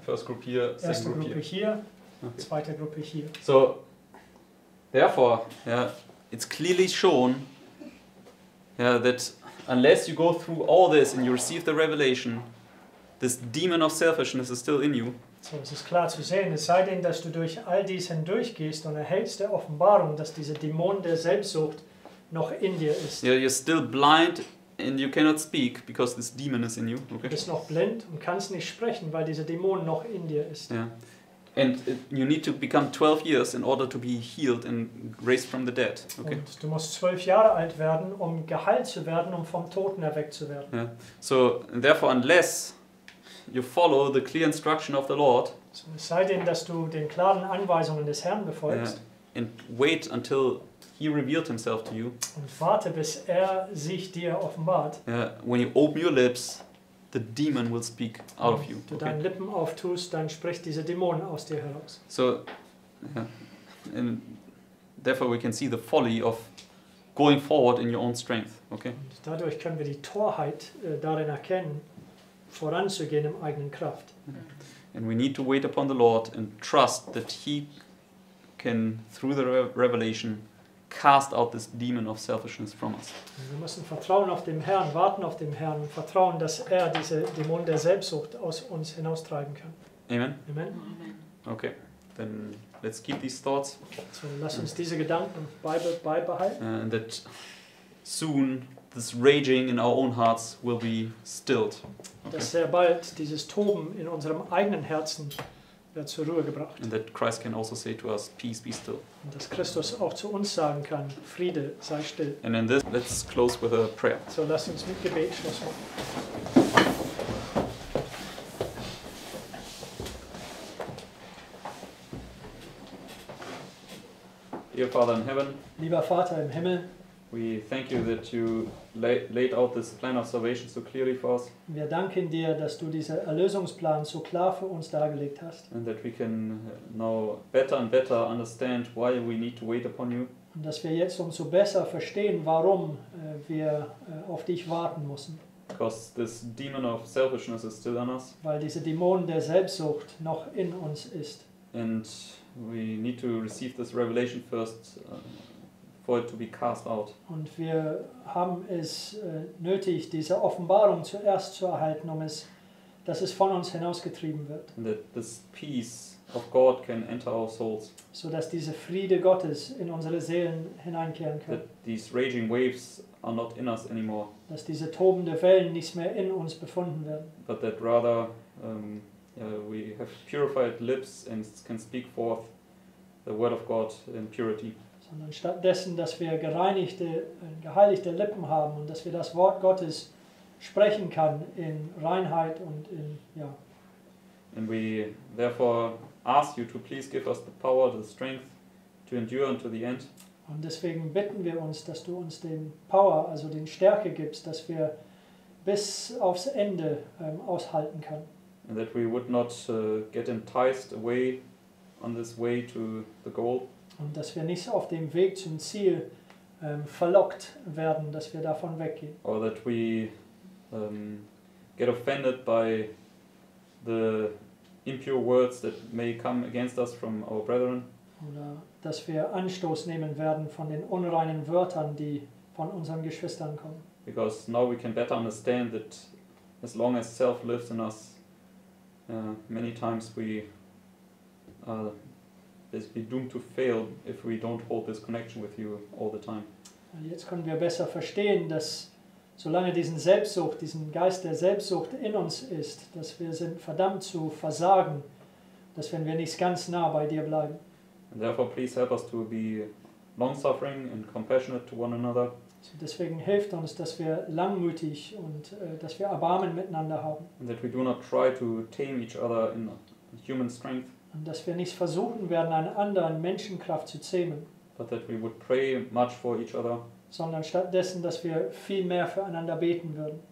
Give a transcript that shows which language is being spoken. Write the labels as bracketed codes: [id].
[en] First group here, [de] erste Gruppe hier, okay. Zweite Gruppe hier. [en] So, therefore, it's clearly shown that unless you go through all this and you receive the revelation, this demon of selfishness is still in you. [de] So, es ist klar zu sehen, es sei denn, dass du durch all dies hindurchgehst und erhältst der Offenbarung, dass dieser Dämon der Selbstsucht noch in dir ist. [en] Yeah, you're still blind and you cannot speak because this demon is in you. Okay. [de] Du bist noch blind und kannst nicht sprechen, weil dieser Dämon noch in dir ist. [en] Yeah. And you need to become 12 years in order to be healed and raised from the dead. Okay. [de] Und du musst 12 Jahre alt werden, um geheilt zu werden, um vom Toten erweckt zu werden. [en] Yeah. So, therefore, unless you follow the clear instruction of the Lord. [de] So, es sei denn, dass du den klaren Anweisungen des Herrn befolgst. [en] And wait until he revealed himself to you. [de] Und warte, bis er sich dir offenbart. [en] When you open your lips, the demon will speak out of you. [de] Wenn du deinen Lippen auftust, dann spricht dieser Dämon aus dir heraus. [en] So, and therefore we can see the folly of going forward in your own strength. Okay. [de] Und dadurch können wir die Torheit darin erkennen, voranzugehen im eigenen Kraft. [en] And we need to wait upon the Lord and trust that he can, through the revelation, cast out this demon of selfishness from us. [de] Wir müssen vertrauen auf dem Herrn, warten auf dem Herrn und vertrauen, dass er diese Dämon der Selbstsucht aus uns hinaustreiben kann. [en] Amen. Amen. Okay, then let's keep these thoughts. [de] So, lass uns diese Gedanken beibehalten. [en] And that soon this raging in our own hearts will be stilled. Okay. [de] Dass sehr bald dieses Toben in unserem eigenen Herzen wird zur Ruhe gebracht. [en] And that Christ can also say to us, peace be still. [de] Und dass Christus auch zu uns sagen kann, Friede sei still. [en] And in this, let's close with a prayer. [de] So lasst uns mit Gebet schließen. [en] Dear Father in heaven. [de] Lieber Vater im Himmel. [en] We thank you that you laid out this plan of salvation so clearly for us. [de] Wir danken dir, dass du diesen Erlösungsplan so klar für uns dargelegt hast. [en] And that we can now better and better understand why we need to wait upon you. [de] Und dass wir jetzt umso besser verstehen, warum wir auf dich warten müssen. [en] Because this demon of selfishness is still on us. [de] Weil dieser Dämon der Selbstsucht noch in uns ist. [en] And we need to receive this revelation first. To be cast out. [de] Und wir haben es nötig, diese Offenbarung zuerst zu erhalten, um es, dass es von uns hinausgetrieben wird. [en] And that this peace of God can enter our souls. [de] So dass diese Friede Gottes in unsere Seelen hineinkehren kann. [en] That these raging waves are not in us anymore. [de] Dass diese tobende Wellen nicht mehr in uns befunden werden. [en] But that rather we have purified lips and can speak forth the word of God in purity. [de] Und anstatt dessen, dass wir geheiligte Lippen haben und dass wir das Wort Gottes sprechen kann in Reinheit und in, ja. [en] And we therefore ask you to please give us the power, the strength to endure until the end. [de] Und deswegen bitten wir uns, dass du uns den Power, also den Stärke gibst, dass wir bis aufs Ende aushalten können. [en] And that we would not get enticed away on this way to the goal. [de] Und dass wir nicht auf dem Weg zum Ziel verlockt werden, dass wir davon weggehen. [en] Or that we get offended by the impure words that may come against us from our brethren. [de] Oder dass wir Anstoß nehmen werden von den unreinen Wörtern, die von unseren Geschwistern kommen. [en] Because now we can better understand that as long as self lives in us, many times we are doomed to fail if we don't hold this connection with you all the time. [de] Und jetzt können wir besser verstehen, dass solange diesen Selbstsucht, diesen Geist der Selbstsucht in uns ist, dass wir sind verdammt zu versagen, dass wenn wir nicht ganz nah bei dir bleiben. [en] And therefore, please help us to be long-suffering and compassionate to one another. [de] So deswegen hilft uns, dass wir langmütig und dass wir Erbarmen miteinander haben. [en] And that we do not try to tame each other in human strength. [de] Und dass wir nicht versuchen werden, einen anderen Menschenkraft zu zähmen. [en] But that we would pray much for each other. [de] Sondern stattdessen, dass wir viel mehr füreinander beten würden.